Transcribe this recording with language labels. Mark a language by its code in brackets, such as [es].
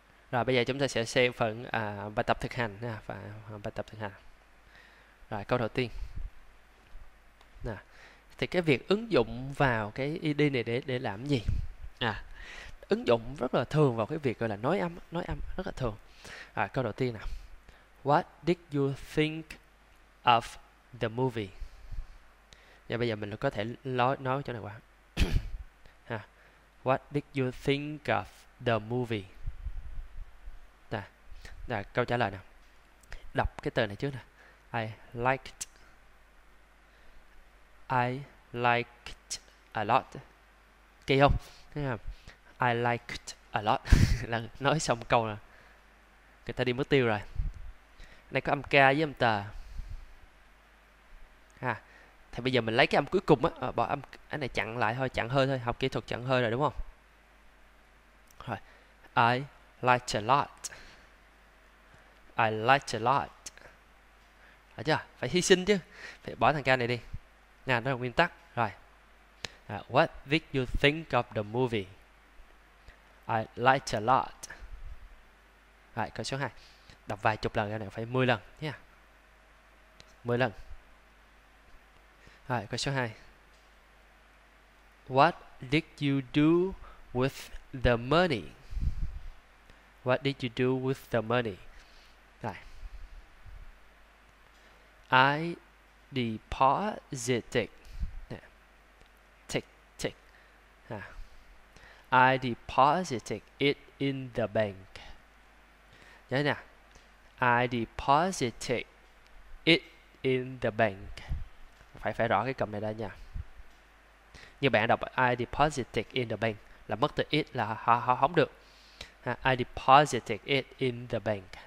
[vi] Rồi bây giờ chúng ta sẽ xem phần bài tập thực hành nha, và bài tập thực hành. Rồi câu đầu tiên. Nè, thì cái việc ứng dụng vào cái ID này để làm gì? À, ứng dụng rất là thường vào cái việc gọi là nói âm rất là thường. Rồi câu đầu tiên nào. [en] What did you think of the movie? [vi] Và bây giờ mình có thể nói chỗ này qua. [en] What did you think of the movie? [vi] Là câu trả lời nào. Đọc cái từ này trước nè. [en] I liked. I liked a lot. [vi] Kỳ không? [en] I liked a lot. [vi] Là nói xong câu là người ta đi mất tiêu rồi. Này có âm K với âm T. À, thì bây giờ mình lấy cái âm cuối cùng á, bỏ âm cái này chặn lại thôi, chặn hơi thôi, học kỹ thuật chặn hơi rồi đúng không? Rồi. [en] I liked a lot. I like a lot. [vi] Đó chưa? Phải hy sinh chứ. Phải bỏ thằng K này đi. Nè, đó là nguyên tắc. Rồi. [en] What did you think of the movie? I like a lot. [vi] Rồi, câu số 2. Đọc vài chục lần ra này, phải 10 lần nhé. 10 lần. Rồi, câu số 2. [en] What did you do with the money? What did you do with the money? I deposited. Tick, tick. I deposited it in the bank. [vi] Nhớ nè. [en] I deposited it in the bank. [vi] Phải phải rõ cái cầm này ra nha. Như bạn đọc [en] I deposited in the bank [vi] là mất từ it là họ không được. [en] I deposited it in the bank.